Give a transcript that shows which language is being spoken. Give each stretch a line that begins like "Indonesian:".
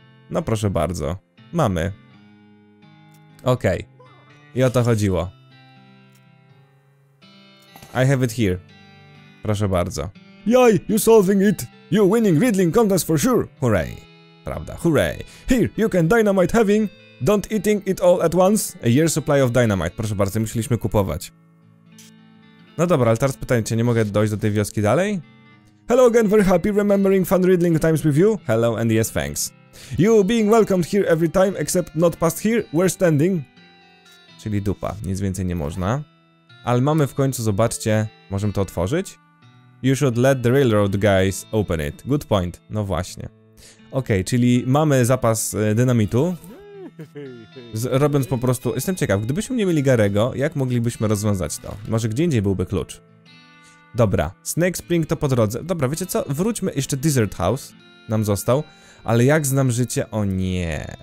Polish: No proszę bardzo. Mamy. Okay. I o to chodziło.
English: I have it here.
Polish: Proszę bardzo.
English: Yay, you solving it. You winning riddling contest for sure. Hooray.
Polish: Prawda,
English: hooray. Here, you can dynamite having. Don't eating it all at once. A year's supply of dynamite.
Polish: Proszę bardzo, musieliśmy kupować. No dobra, ale teraz pytanie, czy nie mogę dojść do tej wioski dalej?
English: Hello again, very happy remembering fun riddling times with you. Hello and yes, thanks. You being welcomed here every time, except not past here, we're standing.
Polish: Czyli dupa, nic więcej nie można. Ale mamy w końcu, zobaczcie, możemy to otworzyć?
English: You should let the railroad guys open it. Good point.
Polish: No właśnie. Okej, okay, czyli mamy zapas dynamitu. Robiąc po prostu... Jestem ciekaw, gdybyśmy nie mieli Garego, jak moglibyśmy rozwiązać to? Może gdzie indziej byłby klucz? Dobra, Snake Spring to po drodze. Dobra, wiecie co? Wróćmy, jeszcze Desert House nam został. Ale jak znam życie? O nie.